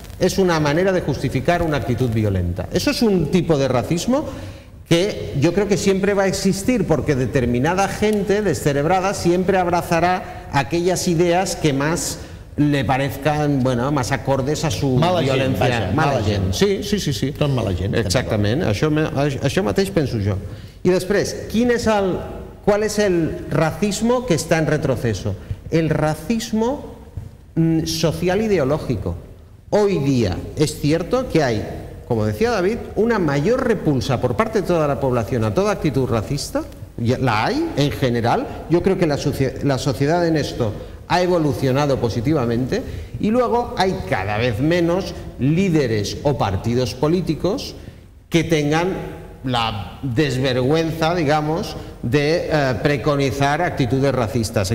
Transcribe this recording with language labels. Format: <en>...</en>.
<es>Es una manera de justificar una actitud violenta. Eso es un tipo de racismo que yo creo que siempre va a existir, porque determinada gente descerebrada siempre abrazará aquellas ideas que más... le parezcan, bueno, más acordes a su mala violencia.</es> <ca>Gent, vaja, mala gent. Sí, sí, sí, sí. Tot mala gent. Exactament. Això, això mateix penso jo. I després, quin és el, qual és el racismo que està en retroceso?</ca> <es>El racismo social ideológico. Hoy día es cierto que hay, como decía David, una mayor repulsa por parte de toda la población a toda actitud racista. La hay, en general. Yo creo que la sociedad en esto ha evolucionado positivamente, y luego hay cada vez menos líderes o partidos políticos que tengan la desvergüenza, digamos, de preconizar actitudes racistas.</es>